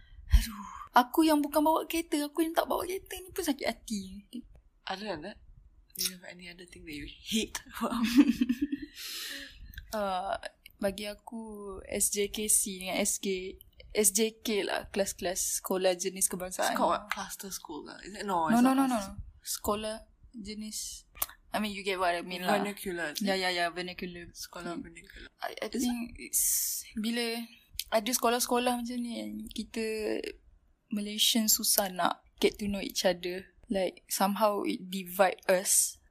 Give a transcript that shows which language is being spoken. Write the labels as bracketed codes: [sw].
[ms] Aduh, aku yang bukan bawa kereta, aku yang tak bawa kereta ni pun sakit hati. Ada tak? [en] Do you have any other thing that you hate? [ms] Bagi aku, SJKC dengan SK, SJK lah, kelas-kelas sekolah jenis kebangsaan. [en] It's called cluster school lah. Is it? No, no, no, no, no. [ms] Sekolah jenis... [en] I mean, you get what I mean lah. Vernacular. Yeah, vernacular. [ms] Sekolah vernacular. [en] I think it's... [ms] Bila ada sekolah-sekolah macam ni, kita Malaysian susah nak [en] get to know each other. Like, somehow it divide us.